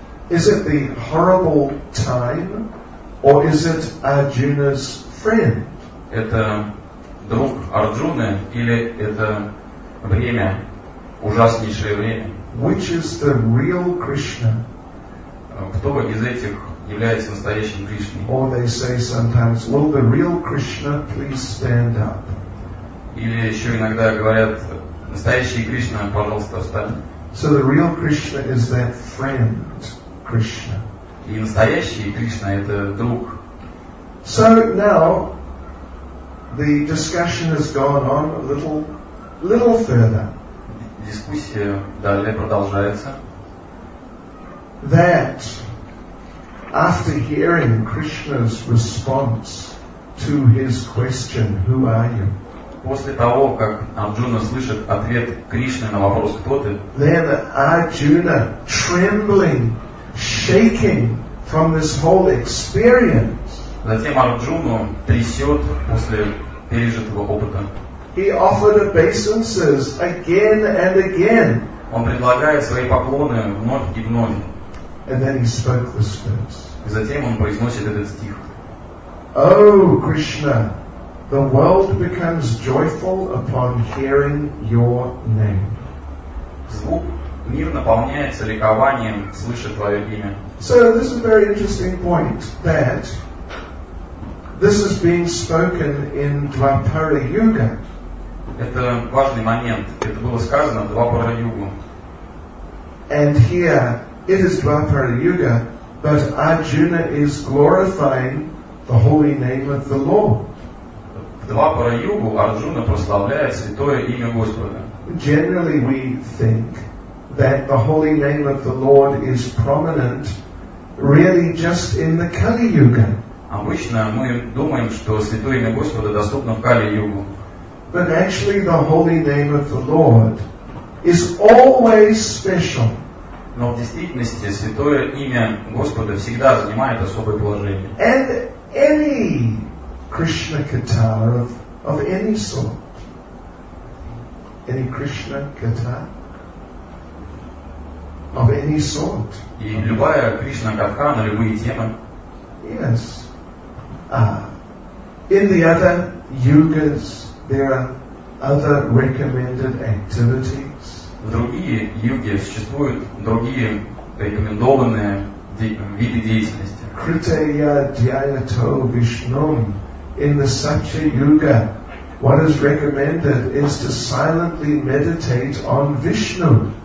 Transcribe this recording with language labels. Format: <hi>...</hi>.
<en>Is it the horrible time, or is it Arjuna's friend?</en> <ru>Это друг Арджуны или это время, ужаснейшее время?</ru> <en>Which is the real Krishna?</en> <ru>Кто из этих является настоящим Кришной?</ru> <en>Or they say sometimes, will the real Krishna please stand up?</en> <ru>Или еще иногда говорят, настоящий Кришна, пожалуйста, встань.</ru> <en>So the real Krishna is that friend Krishna.</en> <ru>И настоящий Кришна это друг.</ru> <en>So now the discussion has gone on a little further.</en> <ru>Дискуссия далее продолжается.</ru> <en>That after hearing Krishna's response to his question, who are you?</en> <ru>После того, как Арджуна слышит ответ Кришны на вопрос «Кто ты?»,</ru> <en>then Arjuna, trembling, shaking from this whole experience,</en> <ru>затем Арджуну трясет после пережитого опыта.</ru> <en>He offered obeisances again and again.</en> <ru>Он предлагает свои поклоны вновь и вновь.</ru> <en>And then he spoke this verse.</en> <ru>И затем он произносит этот стих. О, Кришна!</ru> <en>The world becomes joyful upon hearing your name.</en> <ru>Звук, мир наполняется ликованием, слыша твое имя.</ru> <en>So this is a very interesting point that this is being spoken in Dvapara Yuga.</en> <ru>Это важный момент. Это было сказано в Двапара Югу.</ru> <en>And here it is Dvapara Yuga, but Arjuna is glorifying the holy name of the Lord.</en> <ru>Двапара Югу Арджуна прославляет святое имя Господа.</ru> <en>Generally we think that the holy name of the Lord is prominent really just in the Kali Yuga.</en> <ru>Обычно мы думаем, что святое имя Господа доступно в Кали Югу.</ru> <en>But actually the holy name of the Lord is always special.</en> <ru>Но в действительности святое имя Господа всегда занимает особое положение.</ru> <en>And any Krishna kata of any sort. Any Krishna kata of any sort.</en> <ru>И любая Кришна катха на любые темы.</ru> <en>Yes. In the other yugas there are other recommended activities.</en> <ru>В другие юги существуют другие рекомендованные виды деятельности.</ru> <sa>Kritaya dhyayato vishnum.</sa> <en>In the Satya Yuga, what is recommended is to silently meditate on Vishnu.</en>